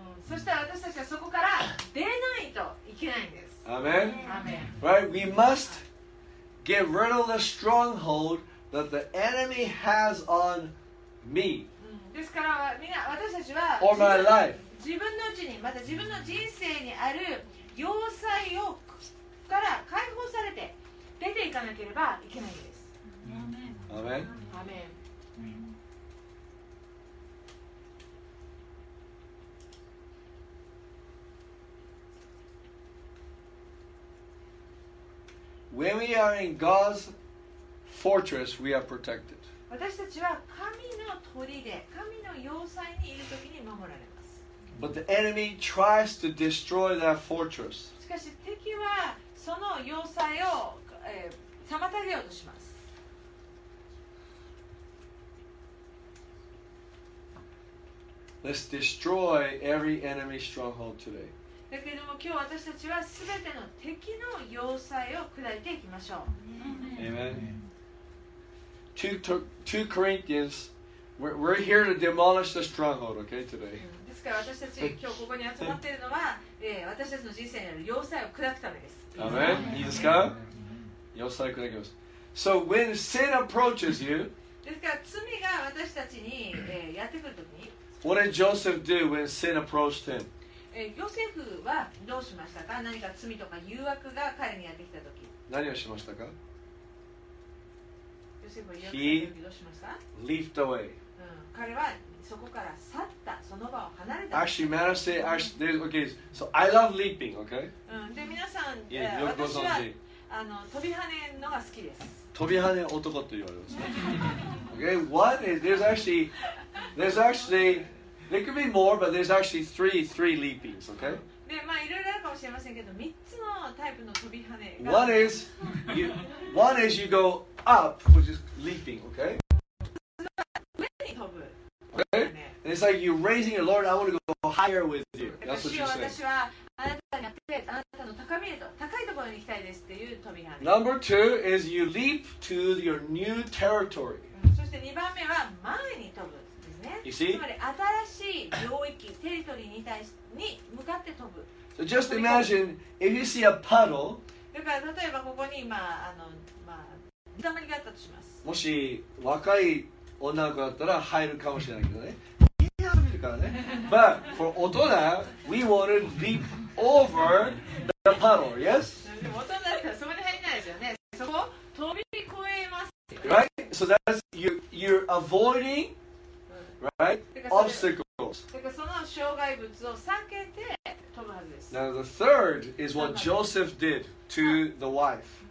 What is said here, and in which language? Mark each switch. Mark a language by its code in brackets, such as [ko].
[ja] そして私たちはそこから出ないといけないんです。 [en] Amen? Amen. Right? We must get rid of the stronghold that the enemy has on me. [ja] ですから、みんな、私たちは、 [en] or my life. [ja] 自分のうちに、また自分の人生にある要塞をから解放されて出ていかなければいけないです。 [en] Amen. Amen. When we are in God's fortress, we are protected. [ja] 私たちは神の砦、神の要塞にいるときに守られます。 [en] But the enemy tries to destroy that fortress. [ja] しかし敵はその要塞を、妨げようとします。 [en] Let's destroy every enemy stronghold today. [ja] だけども今日私たちはすべての敵の要塞を砕いていきましょう。 [en] Amen. 2 Corinthians, we're here to demolish the stronghold, okay, today. [ja] ですから私たち今日ここに集まっているのは、私たちの人生にある要塞を砕くためです。 [en] Amen. [ja] いいですか？要塞を砕きます。 [en] So when sin approaches you, [ja] ですから罪が私たちに、やってくるときに、 [en] What did Joseph do when sin approached him? [ja] Joseph はどうしましたか？何か罪とか誘惑が彼にやってきたとき。何をしましたか？ Joseph は誘惑のときどうしました？ [en] He leaped [ja] away. 彼はそこから去った。その場を離れた。 [en] Actually, man, I say, actually, okay, so I love leaping, okay? [ja] で、皆さん、yeah, 私は飛び跳ねるのが好きです。飛び跳ね男と言われます。 [en] Okay, what is, there's actually, there could be more, but there's actually three leapings, okay? [ja] で、まあいろいろあるかもしれませんけど、3つのタイプの飛び跳ねが。 [en] One is you go up, which is leaping, okay? [ja] 上に飛ぶ。 [en] Okay? And it's like you're raising your Lord, I want to go higher with you. That's what you say. [ja] 私はあなたにあって、あなたの高みへと、高いところに行きたいですっていう飛び跳ね。 [en] Number two is you leap to your new territory. [ja] で2番目は前に飛ぶですね。つまり新しい領域、テリトリーに向かって飛ぶ。 [en] So just imagine if you see a puddle。 [ja] だから例えばここに今まあ水たまりがあったとします。もし若い女の子だったら入るかもしれないけどね。いや見るからね。 [en] But for 大人、we want to leap over the puddle, yes? [ja] 大人だったらそこに入れないですよね。そこ飛び越えます。 [en] Right? So that's you're avoiding, right, obstacles. [ja] だからその障害物を避けて飛ぶはずです。 [en] Now the third is what Joseph did to the wife.